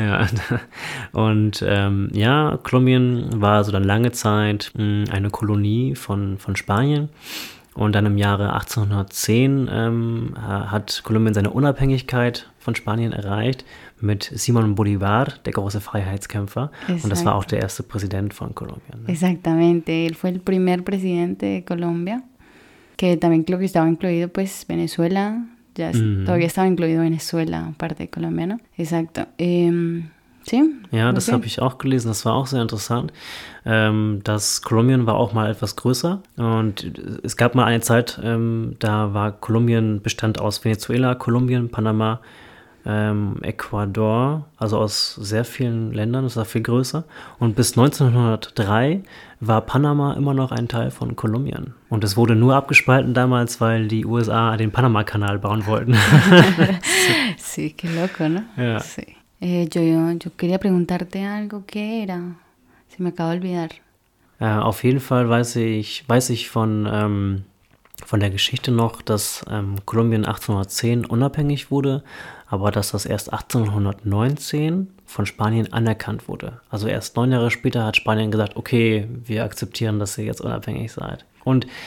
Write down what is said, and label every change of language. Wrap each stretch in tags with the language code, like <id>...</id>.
<de>Ja, und ja, Kolumbien war also dann lange Zeit eine Kolonie von Spanien. Und dann im Jahre 1810 hat Kolumbien seine Unabhängigkeit von Spanien erreicht mit Simon Bolívar, der große Freiheitskämpfer. Und das war auch</de> <es>Exacto.</es> <de>der erste Präsident von Kolumbien, ne?</de> <es>Exactamente. Él fue el primer presidente de Colombia, que también creo que estaba incluido, pues, Venezuela. Ya todavía estaba incluido Venezuela, parte de Colombia, ¿no? Exacto. Sí,</es> <de>Ja,</de> <es>muy</es> <de>das habe</de> <es>bien.</es> <de>ich auch gelesen. Das war auch sehr interessant. Das Kolumbien war auch mal etwas größer. Und es gab mal eine Zeit, da war Kolumbien bestand aus Venezuela, Kolumbien, Panama, Ecuador, also aus sehr vielen Ländern. Das war viel größer. Und bis 1903 war Panama immer noch ein Teil von Kolumbien. Und es wurde nur abgespalten damals, weil die USA den Panama-Kanal bauen wollten.</de> <es>Sí, qué loco, ¿no?</es> <de>Ja.</de> <es>Sí. Yo quería preguntarte algo, ¿qué era? Se me acaba de olvidar.</es> <de>Auf jeden Fall weiß ich von der Geschichte noch, dass Kolumbien 1810 unabhängig wurde, aber dass das erst 1819 von Spanien anerkannt wurde. Also erst 9 Jahre später hat Spanien gesagt, okay, wir akzeptieren, dass ihr jetzt unabhängig seid. Und</de>